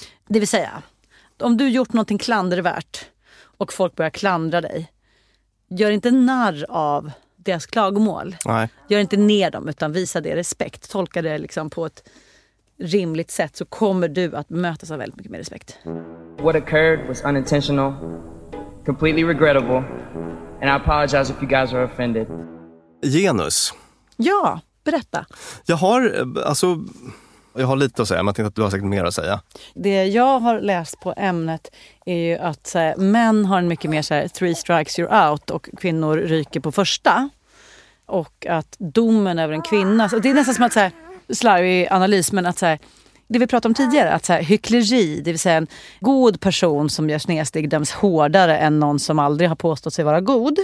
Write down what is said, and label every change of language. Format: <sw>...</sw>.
<sv>Det vill säga, om du gjort någonting klandervärt och folk börjar klandra dig, gör inte narr av deras klagomål. Nej. Gör inte ner dem, utan visa det respekt. Tolka det liksom på ett rimligt sätt, så kommer du att mötas av väldigt mycket mer respekt.</sv> <en>What occurred was unintentional, completely regrettable, and I apologize if you guys are offended.</en> <sv>Genus. Ja, berätta. Jag har, alltså, Jag har lite att säga, men jag tänkte att du har säkert mer att säga. Det jag har läst på ämnet är ju att män har en mycket mer så här,</sv> <en>three strikes you're out</en> <sv>och kvinnor ryker på första. Och att domen över en kvinna, så det är nästan som att slarvig analys, men att så här, det vi pratade om tidigare, att så här, hyckleri, det vill säga en god person som gör snedsteg döms hårdare än någon som aldrig har påstått sig vara god.</sv>